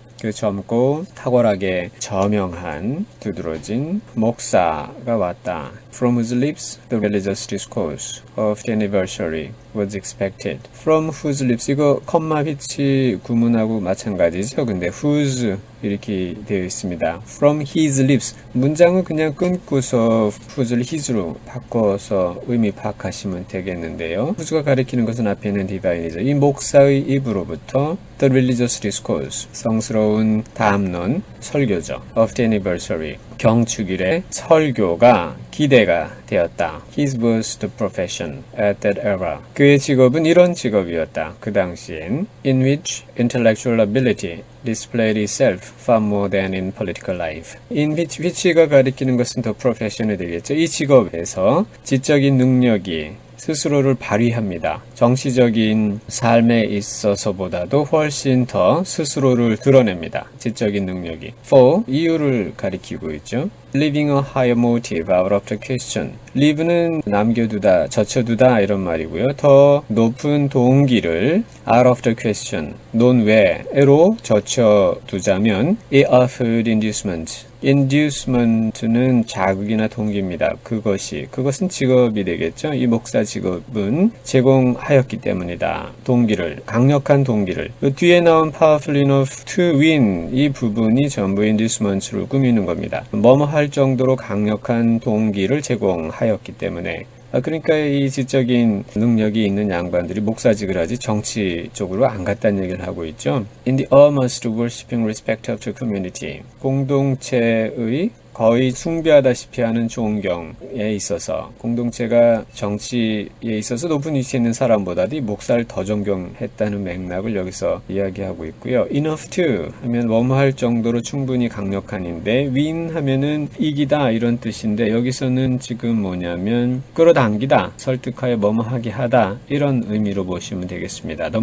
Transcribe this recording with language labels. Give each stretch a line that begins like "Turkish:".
Korean: 그 젊고 탁월하게 저명한 두드러진 목사가 왔다.
English: From whose lips the religious discourse of the anniversary was expected. From whose lips
Korean: 이거 콤마 위치 구문하고 마찬가지죠. 근데 whose 이렇게 되어 있습니다.
English: From his lips
Korean: 문장은 그냥 끊고서 whose를 his로 바꿔서 의미 파악하시면 되겠는데요. whose가 가리키는 것은 앞에 있는 divine이죠. 이 목사의 입으로부터
English: the religious discourse
Korean: 성스러운 담론 설교죠.
English: Of the anniversary
Korean: 경축일의 설교가 기대가 되었다.
English: His was the profession at that era.
Korean: 그의 직업은 이런 직업이었다. 그 당시엔.
English: In which intellectual ability displayed itself far more than in political life. In which
Korean: 가 가리키는 것은
English: the profession
Korean: 이 되겠죠. 이 직업에서 지적인 능력이 스스로를 발휘합니다. 정치적인 삶에 있어서보다도 훨씬 더 스스로를 드러냅니다. 지적인 능력이. For, 이유를 가리키고 있죠.
English: Leaving a higher motive out of the question.
Korean: Leave는 남겨두다, 젖혀두다 이런 말이고요. 더 높은 동기를
English: out of the question,
Korean: 논외로 젖혀두자면
English: it offered inducement.
Korean: Inducement는 자극이나 동기입니다. 그것은 직업이 되겠죠. 이 목사 직업은 제공하였기 때문이다. 동기를, 강력한 동기를. 뒤에 나온
English: powerful enough to win
Korean: 이 부분이 전부 inducement를 꾸미는 겁니다. 뭐뭐 할 정도로 강력한 동기를 제공하였기 때문에. 그러니까 이 지적인 능력이 있는 양반들이 목사직을 하지 정치 쪽으로 안 갔다는 얘기를 하고 있죠.
English: In the almost worshipping respect of the community.
Korean: 공동체의 거의 숭배하다시피 하는 존경에 있어서 공동체가 정치에 있어서 높은 위치에 있는 사람보다도 이 목사를 더 존경했다는 맥락을 여기서 이야기하고 있고요.
English: Enough to
Korean: 하면 뭐뭐할 정도로 충분히 강력한인데 win 하면은 이기다 이런 뜻인데 여기서는 지금 뭐냐면 끌어당기다, 설득하여 뭐뭐하게 하다 이런 의미로 보시면 되겠습니다.